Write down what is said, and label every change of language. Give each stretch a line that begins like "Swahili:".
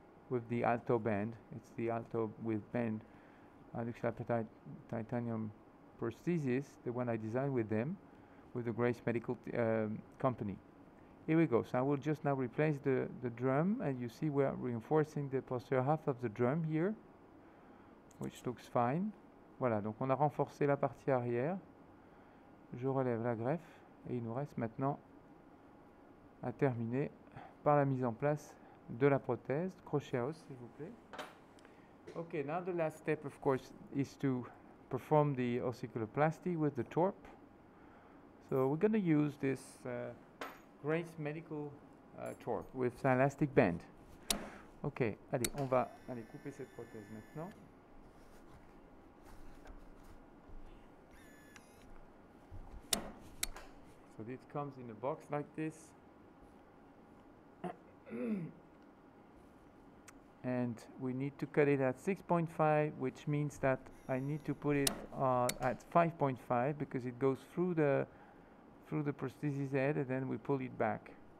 English: With the alto band, it's the alto with band adduction titanium prosthesis, the one I designed with them, with the Grace Medical company. Here we go. So I will just now replace the drum, and you see we are reinforcing the posterior half of the drum here, which looks fine.
French: Voilà, donc on a renforcé la partie arrière. Je relève la greffe, et il nous reste maintenant à terminer par la mise en place de la prothèse, crochet à os, s'il vous plaît.
English: Okay, now the last step, of course, is to perform the ossiculoplasty with the TORP. So we're going to use this Grace Medical TORP with silastic band.
French: Okay, allez, on va aller couper cette prothèse maintenant.
English: So this comes in a box like this. And we need to cut it at 6.5, which means that I need to put it at 5.5 because it goes through the prosthesis head, and then we pull it back.